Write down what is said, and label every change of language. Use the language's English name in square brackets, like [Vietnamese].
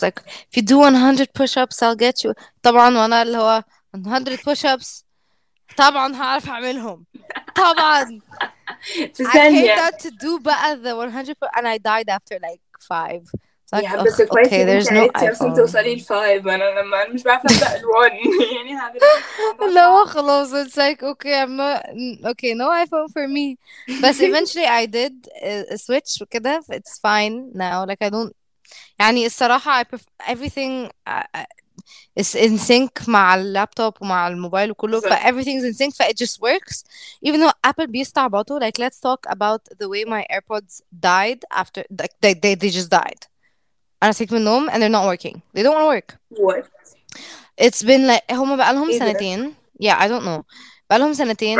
[English] It was like if you do 100 push-ups I'll get you. [Arabic] طبعا وانا اللي هو 100 push-ups طبعا هعرف اعملهم طبعا. [English] I came out to do بقى the 100 push-ups and I died after like 5. Okay, there's no iPhone. No, [Arabic] خلاص. [English] It's like, okay, I'm not... Okay, no iPhone for me. But eventually I did a switch. It's fine now. Like, I don't... [Arabic] يعني الصراحة, [English] everything is in sync [Arabic] مع اللابتوب ومع الموبايل وكله. [English] But everything is in sync, but it just works. Even though Apple بيستع بطو, like, let's talk about the way my AirPods died after... Like, they just died. And I take them home and they're not working. They don't want to work. What? It's been like [Arabic] هما بقالهم سنتين. [English] Yeah, I don't know. [Arabic] بقالهم سنتين.